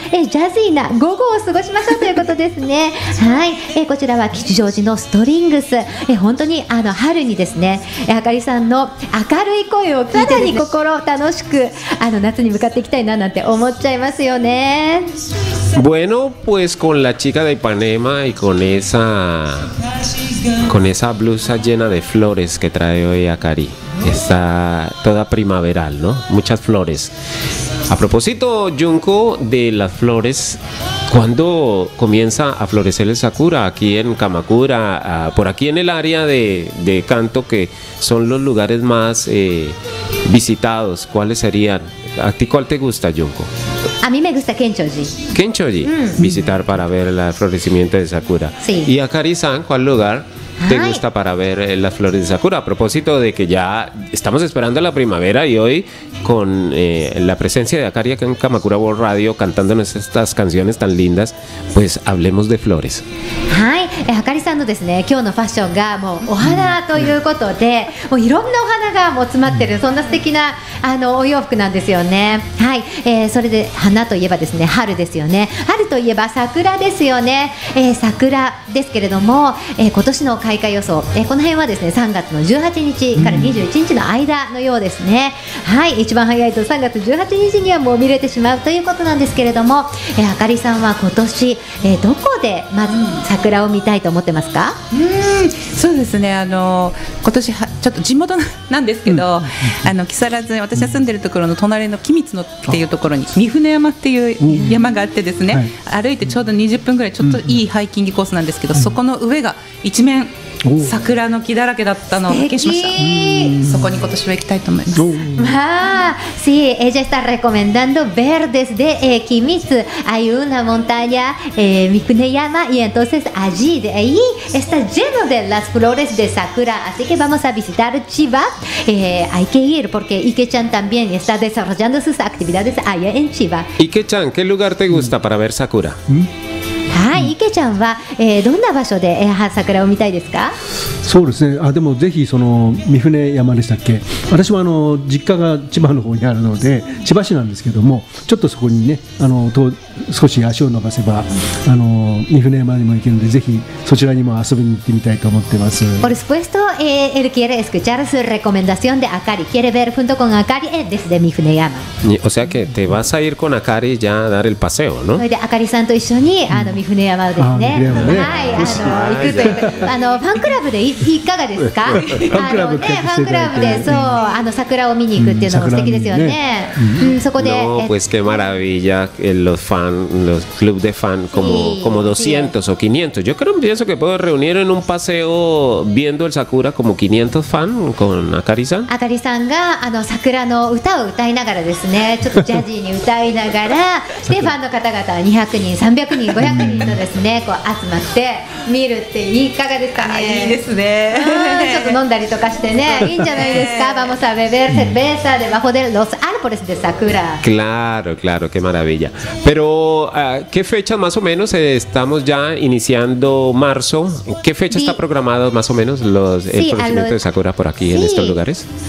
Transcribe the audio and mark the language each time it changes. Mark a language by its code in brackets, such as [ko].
[ja] ジャズイな午後を過ごしましょうということですね、はい、こちらは吉祥寺のストリングス、本当にあの春にですねあかりさんの明るい声を聞いてに心を楽しくあの夏に向かっていきたいななんて思っちゃいますよね。 [es] Bueno, pues con la chica de Ipanema y con esa blusa llena de flores que trae hoy Akari, está toda primaveral, ¿no? Muchas flores. A propósito, Junko, de las flores, ¿cuándo comienza a florecer el sakura aquí en Kamakura, por aquí en el área de Kanto, que son los lugares más visitados? ¿Cuáles serían? ¿A ti cuál te gusta, Junko? A mí me gusta Kenchoji. Kenchoji, visitar para ver el florecimiento de sakura. Sí. ¿Y Akari-san, cuál lugar te gusta para ver las flores de sakura? A propósito de que ya estamos esperando la primavera y hoy con la presencia de Akari en Kamakura World Radio cantándonos estas canciones tan lindas, pues hablemos de flores. [ja] Sí, Akari-san のですね今日のファッションがもうお花ということで、もういろんなお花がもう詰まってる、そんな素敵なあのお洋服なんですよね。はい、それで花といえばですね春ですよね。春といえば桜ですよね。桜ですけれども、今年の開花予想、この辺はですね3月の18日から21日の間のようですね、はい、一番早いと3月18日にはもう見れてしまうということなんですけれども、あかりさんは今年、どこでまず桜を見たいと思ってますか？そうですね、今年はちょっと地元なんですけど、あの木更津に私が住んでるところの隣の君津のっていうところに三船山っていう山があってですね、はい、歩いてちょうど20分ぐらいちょっといいハイキングコースなんですけど、そこの上が一面桜の木だらけだったのを消しました。そこに今年は行きたいと思います。 [es] わー、sí, ella está recomendando ver desde Kimitsu. Hay una montaña, Mikuneyama, y entonces allí de ahí está lleno de las flores de sakura. Así que vamos a visitar Chiba. Hay que ir porque Ike-chan también está desarrollando sus actividades allá en Chiba. Ike-chan, ¿qué lugar te gusta para ver sakura? [ja] はい、池ちゃんは、どんな場所で桜を見たいですか？そうですね、あ、でもぜひその三船山でしたっけ、私はあの実家が千葉の方にあるので千葉市なんですけども、ちょっとそこにねあの少し足を伸ばせばあの三船山にも行けるので、ぜひそちらにも遊びに行ってみたいと思ってます。 [es] Por supuesto, él quiere escuchar su recomendación de Akari. Quiere ver junto con Akari desde 三船山。 O sea que te vas a ir con Akari ya a dar el paseo, ¿no? [ja] それで Akari さんと一緒に三船山ですね。行くというあのファンクラブで いかがですか？ファンクラブで、ファンクラブで、そう、あの桜を見に行くっていうのも素敵ですよね。そこで、 [es] No, pues qué maravilla, los fans, los clubs de fans, como 200 o 500. Yo creo, pienso que puedo reunir en un paseo viendo el sakura como 500 fans con Akari-san. [ja] Akari-san があの桜の歌を歌いながらですね、ちょっとジャジーに歌いながら、でファンの方々は200人、300人、500人のですね、こう集まって見るっていかがですかね。いいですね。ちょっと飲んだりとかしてね、いいんじゃないですか。 [es] Vamos a beber cerveza debajo de los árboles de sakura. Claro, claro, qué maravilla. Pero qué fecha más o menos estamos ya iniciando marzo. ¿Qué fecha está programado más o menos los florecimientos de sakura por aquí en estos lugares?